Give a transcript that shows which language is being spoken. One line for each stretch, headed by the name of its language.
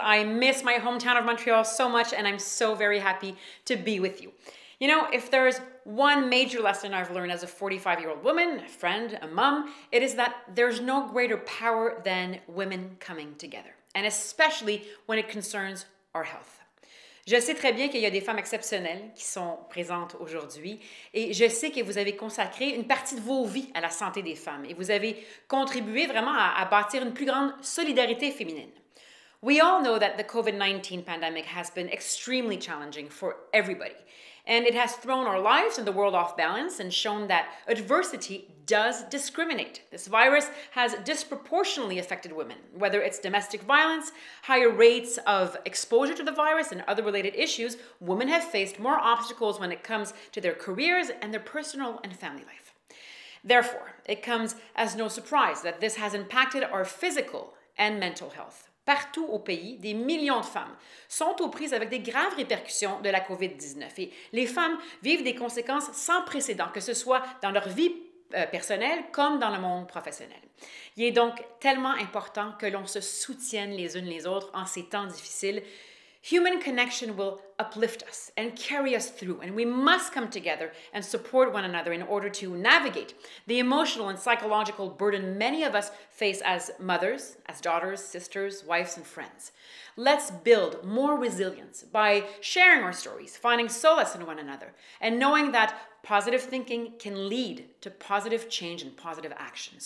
English: I miss my hometown of Montreal so much and I'm so very happy to be with you. You know, if there's one major lesson I've learned as a 45-year-old woman, a friend, a mom, it is that there's no greater power than women coming together, and especially when it concerns our health.
French: Je sais très bien qu'il y a des femmes exceptionnelles qui sont présentes aujourd'hui et je sais que vous avez consacré une partie de vos vies à la santé des femmes et vous avez contribué vraiment à bâtir une plus grande solidarité féminine.
English: We all know that the COVID-19 pandemic has been extremely challenging for everybody and it has thrown our lives and the world off balance and shown that adversity does discriminate. This virus has disproportionately affected women, whether it's domestic violence, higher rates of exposure to the virus and other related issues, women have faced more obstacles when it comes to their careers and their personal and family life. Therefore, it comes as no surprise that this has impacted our physical and mental health.
French: Partout au pays, des millions de femmes sont aux prises avec des graves répercussions de la COVID-19. Et les femmes vivent des conséquences sans précédent, que ce soit dans leur vie personnelle comme dans le monde professionnel. Il est donc tellement important que l'on se soutienne les unes les autres en ces temps difficiles.
English: Human connection will uplift us and carry us through, and we must come together and support one another in order to navigate the emotional and psychological burden many of us face as mothers, as daughters, sisters, wives, and friends. Let's build more resilience by sharing our stories, finding solace in one another, and knowing that positive thinking can lead to positive change and positive action.